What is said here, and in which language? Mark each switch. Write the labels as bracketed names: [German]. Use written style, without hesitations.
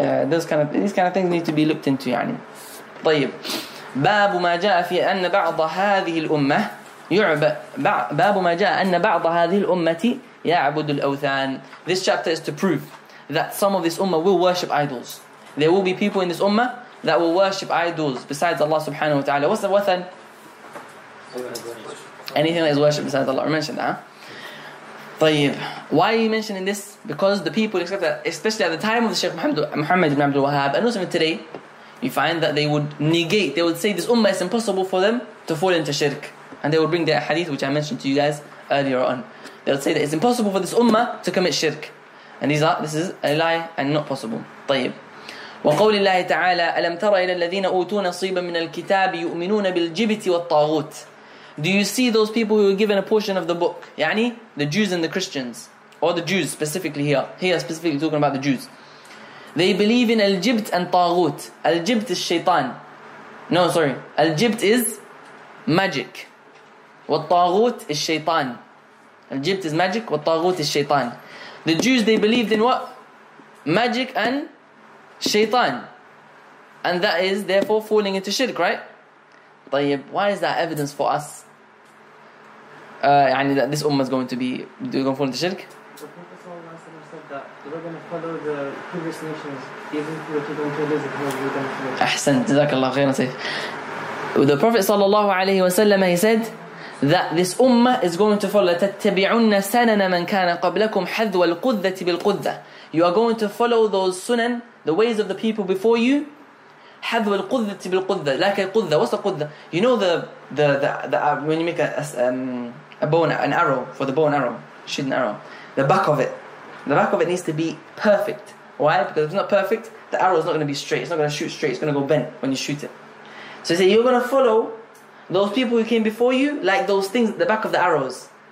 [English] These kind of things need to be looked into. [Arabic] يعني. طيب. باب ما جاء في أن بعض هذه الأمة يعبد. باب ما جاء أن بعض هذه الأمة يعبد الأوثان. [English] This chapter is to prove that some of this ummah will worship idols. There will be people in this ummah that will worship idols besides Allah subhanahu wa ta'ala. What's the wathan? Anything that is worship besides Allah. We mentioned that. [Arabic] طيب. [English] Why are you mentioning this? Because the people expect that, especially at the time of the Shaykh Muhammad ibn Abdul Wahhab, and also today, you find that they would negate, they would say this ummah is impossible for them to fall into shirk. And they would bring the hadith which I mentioned to you guys earlier on. They would say that it's impossible for this ummah to commit shirk. And this is a lie and not possible. [Arabic] طيب. وقول الله تعالى ألم ترى إلى الذين أوتوا نصيبا من الكتاب يؤمنون بالجبت والطاغوت. [English] Do you see those people who were given a portion of the book? يعني the Jews and the Christians. Or the Jews specifically here. Here specifically talking about the Jews. They believe in al-jibt and taghut. Al-jibt is shaitan. No, sorry. Al-jibt is magic. Wal-taghut is shaitan. Al-jibt is magic. Wal-taghut is shaitan. The Jews, they believed in what? Magic and shaitan. And that is therefore falling into shirk, right? [Arabic] طيب, [English] why is that evidence for us? يعني that this ummah is going to be going to fall into shirk? The Prophet sallallahu alaihi wasallam said that they're going to follow the previous nations, even if they're going to visit them. [Arabic] أحسن, جزاك الله خيرا. [English] The Prophet sallallahu alaihi wasallam, he said that this ummah is going to follow. [Arabic] تتبعون سنن من كان قبلكم حذو القذة بالقذة. [English] You are going to follow those sunan, the ways of the people before you, [Arabic] حذو القذة بالقذة لك القذة وسط القذة. [English] You know the when you make a bow an arrow for the bow and arrow shoot an arrow, the back of it needs to be perfect. Why? Because if it's not perfect, the arrow is not going to be straight. It's not going to shoot straight. It's going to go bent when you shoot it. So you say you're going to follow those people who came before you like those things at the back of the arrows.